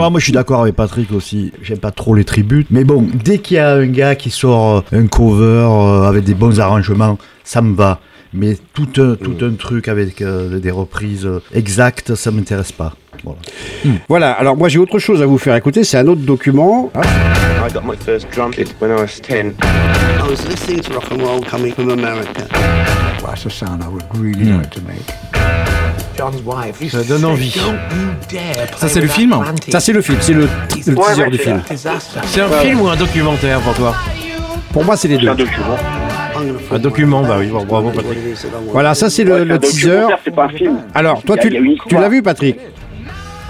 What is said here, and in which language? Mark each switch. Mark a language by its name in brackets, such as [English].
[French] Moi, je suis d'accord avec Patrick aussi. J'aime pas trop les tributes. Mais bon, dès qu'il y a un gars qui sort un cover avec des bons arrangements, ça me va. Mais tout un truc avec des reprises exactes, ça m'intéresse pas. Voilà. Voilà, alors moi j'ai autre chose à vous faire écouter, c'est un autre document. Ah. [English] I got my first drum kit when I was 10. I was listening to rock and roll coming from America. That's a sound I would really like to make. [French] Ça donne envie. Ça c'est le film. Ça c'est le film, c'est le teaser du film. C'est un film ou un documentaire pour toi? Pour moi c'est les deux. Un document. Un document, bah oui, bravo Patrick. Voilà, ça c'est le teaser. C'est pas un film. Alors, toi, tu l'as vu, Patrick ?